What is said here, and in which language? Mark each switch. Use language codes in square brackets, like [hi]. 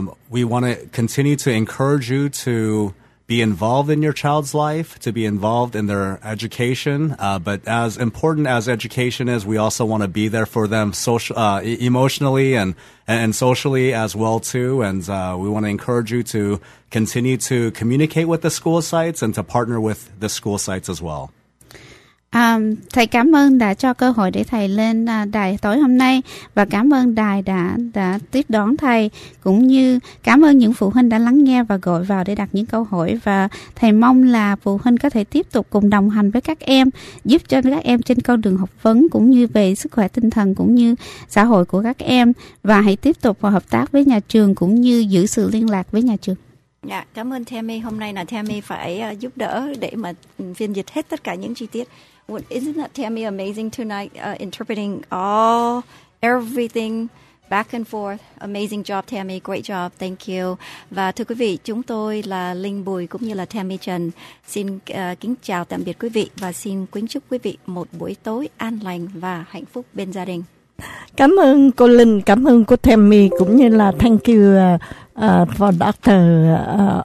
[en] We want to continue to encourage you to be involved in your child's life, to be involved in their education. But as important as education is, we also want to be there for them emotionally and socially as well, too. And we want to encourage you to continue to communicate with the school sites and to partner with the school sites as well. [vi] Thầy cảm ơn đã cho cơ hội để thầy lên đài tối hôm nay, và cảm ơn đài đã tiếp đón thầy, cũng như cảm ơn những phụ huynh đã lắng nghe và gọi vào để đặt những câu hỏi. Và thầy mong là phụ huynh có thể tiếp tục cùng đồng hành với các em, giúp cho các em trên con đường học vấn cũng như về sức khỏe tinh thần cũng như xã hội của các em, và hãy tiếp tục và hợp tác với nhà trường cũng như giữ sự liên lạc với nhà trường. Dạ, cảm ơn Tammy. Hôm nay là Tammy phải giúp đỡ để mà phiên dịch hết tất cả những chi tiết. [en] Isn't that Tammy amazing tonight, interpreting all, everything, back and forth? Amazing job, Tammy. Great job. Thank you. [vi] Và thưa quý vị, chúng tôi là Linh Bùi cũng như là Tammy Trần. Xin kính chào tạm biệt quý vị và xin kính chúc quý vị một buổi tối an lành và hạnh phúc bên gia đình. Cảm ơn cô Linh, cảm ơn cô Tammy, cũng như là [en] thank you for Dr.